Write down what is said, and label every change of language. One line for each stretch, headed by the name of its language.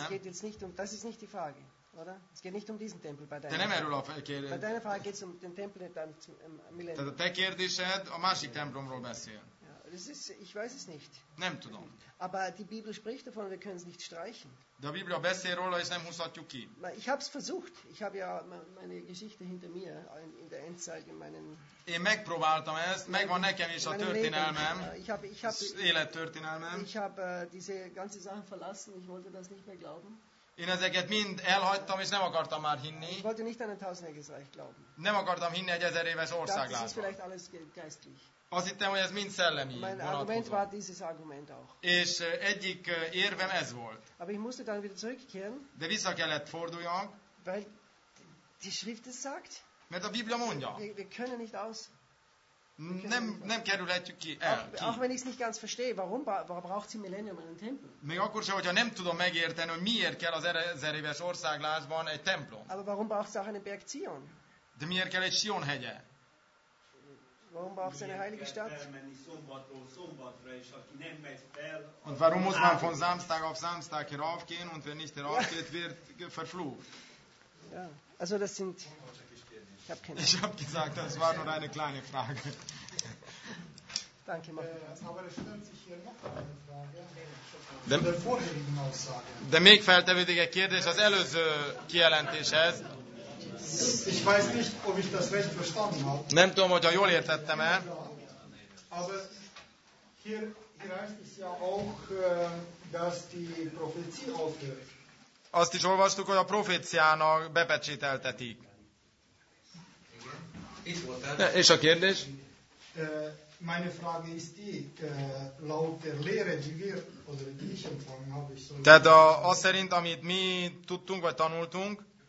German: Es geht jetzt nicht um, das ist nicht die Frage, oder? Es geht nicht um diesen Tempel bei deiner.
Hungarian: De nem erről a kérdés.
German: Bei deiner Frage geht es um den Tempel dann zum Millennium.
Hungarian: Tehát a te kérdésed a másik templomról beszél.
German: Das ist, ich weiß es nicht.
Hungarian: Nem tudom.
German: Aber die Bibel spricht davon, wir können es nicht streichen.
Hungarian: De a Biblia beszél róla, és nem húzhatjuk ki.
German: Ich habe es versucht. Ich habe ja meine Geschichte hinter mir in der Endzeit in meinen.
Hungarian: Én megpróbáltam ezt, megvan nekem is a történelmem. Élettörténelmem.
German: Ich habe diese ganze Sache verlassen. Ich wollte das nicht mehr glauben.
Hungarian: Én ezeket mind elhagytam, és nem akartam már hinni.
German: Ich wollte nicht an ein tausendjähriges Reich glauben.
Hungarian: Nem akartam hinni egy ezer éves országlásba.
German: Das ist vielleicht alles geistlich.
Hungarian: Azt hittem, hogy ez mind szellemi vonatkozó. És egyik érvem ez volt.
German: Aber ich musste dann wieder zurückkehren.
Hungarian: De vissza kellett forduljak.
German: Weil die Schrift es sagt.
Hungarian: Mert a Biblia mondja.
German: Wir können nicht aus.
Hungarian: Nem kerülhetjük ki el.
German: Auch wenn ich es nicht ganz verstehe, warum braucht sie Millennium einen Tempel?
Hungarian: Még akkor sem, hogyha nem tudom megérteni, hogy miért kell az ezer éves országlásban egy templom.
German: Aber warum braucht sie auch einen Berg Zion?
Hungarian: De miért kell egy Sion hegye?
German: Warum braucht seine heilige Stadt? Und warum muss man von Samstag auf Samstag heraufgehen und wenn nicht heraufgeht, wird verflucht? Ja, also das sind. Ich habe gesagt, das war nur eine kleine Frage. Danke, Martin. Aber es stellt sich hier noch eine Frage.
Hungarian: De még feltevődik egy kérdés az előző kijelentéshez.
German: Ich weiß nicht, ob ich das recht verstanden habe.
Hungarian: Nem tudom, hogy jól értettem el.
German: Aber hier heißt es ja auch, dass die Prophezie aufhört.
Hungarian: Azt is olvastuk, hogy a proféciának bepecsételtetik. És a kérdés?
German: Meine Frage ist die, laut der Lehre, die wir oder die ich empfangen habe, ich soll.
Hungarian: Tehát az szerint, amit mi tudtunk vagy tanultunk.